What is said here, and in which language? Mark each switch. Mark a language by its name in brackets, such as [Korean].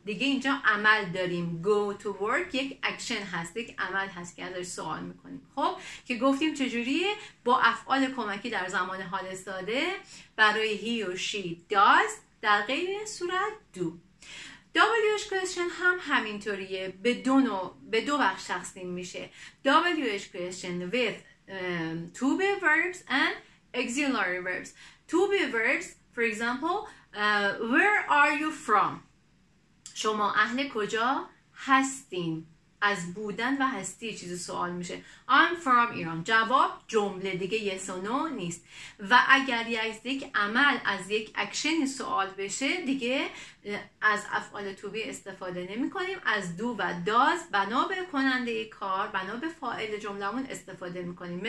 [Persian] دیگه اینجا عمل داریم، go to work یک اکشن هست، یک عمل هست که ازش سوال میکنیم. خب که گفتیم چجوریه؟ با افعال کمکی در زمان حال ساده برای he or she does، در غیر این صورت دو. WH question هم همینطوریه، به دو بخش تقسیم میشه. [English] WH question with to be verbs and auxiliary verbs. To be verbs for example where are you from، [Persian] شما اهل کجا هستین، از بودن و هستی چیزی سوال میشه. [English] I'm from [Persian] ایران، جواب جمله دیگه yes or no نیست. و اگر از یک عمل، از یک اکشن سوال بشه، دیگه از افعال to be استفاده نمی کنیم، از do و does بنا به کننده کار، بنا به فاعل جملمون استفاده می کنیم.